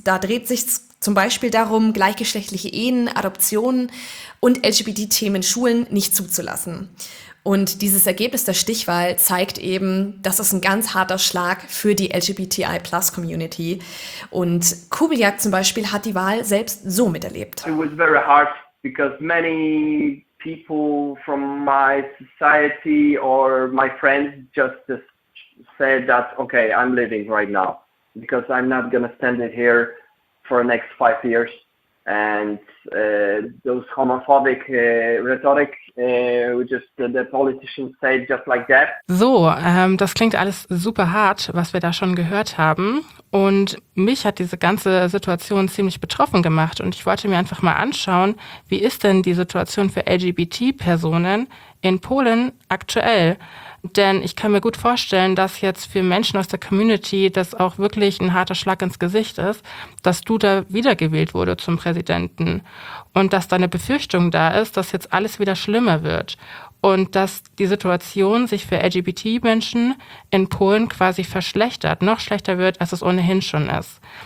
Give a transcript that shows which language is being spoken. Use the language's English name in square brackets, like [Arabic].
[German] Da dreht sich zum Beispiel darum, gleichgeschlechtliche Ehen, Adoptionen und LGBT-Themen in Schulen nicht zuzulassen. Und dieses Ergebnis der Stichwahl zeigt eben, dass es ein ganz harter Schlag für die LGBTI-Plus-Community. Und Kubiliak zum Beispiel hat die Wahl selbst so miterlebt. [English] It was very hard because many people from my society or my friends just said that, okay, I'm leaving right now because I'm not gonna stand it here for the next 5 years. And those homophobic rhetoric, the politicians say just like that. [German] So, das klingt alles super hart, was wir da schon gehört haben. Und mich hat diese ganze Situation ziemlich betroffen gemacht. Und ich wollte mir einfach mal anschauen, wie ist denn die Situation für LGBT-Personen in Polen aktuell? Denn ich kann mir gut vorstellen, dass jetzt für Menschen aus der Community das auch wirklich ein harter Schlag ins Gesicht ist, dass Duda wiedergewählt wurde zum Präsidenten und dass da eine Befürchtung da ist, dass jetzt alles wieder schlimmer wird und dass die Situation sich für LGBT-Menschen in Polen quasi verschlechtert, noch schlechter wird, als es ohnehin schon ist.